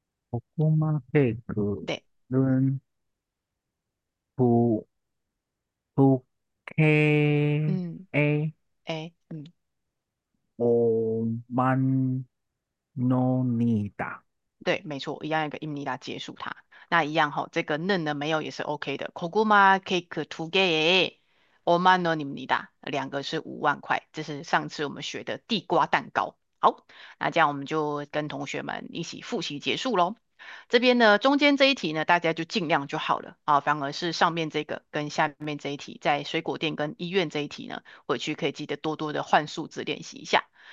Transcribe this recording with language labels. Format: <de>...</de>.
<ko>고구마 케이크는 북해에 5만 원이다.</ko> <zh>对，没错，一样一个 입니다 结束它。那一样哈，这个는呢没有也是 OK 的。</zh> <ko>고구마 케이크 두 개에 5만 원입니다.</ko> <zh>两个是5万块，这是上次我们学的地瓜蛋糕。好，那这样我们就跟同学们一起复习结束喽。这边呢，中间这一题呢，大家就尽量就好了啊。反而是上面这个跟下面这一题，在水果店跟医院这一题呢，回去可以记得多多的换数字练习一下。</zh>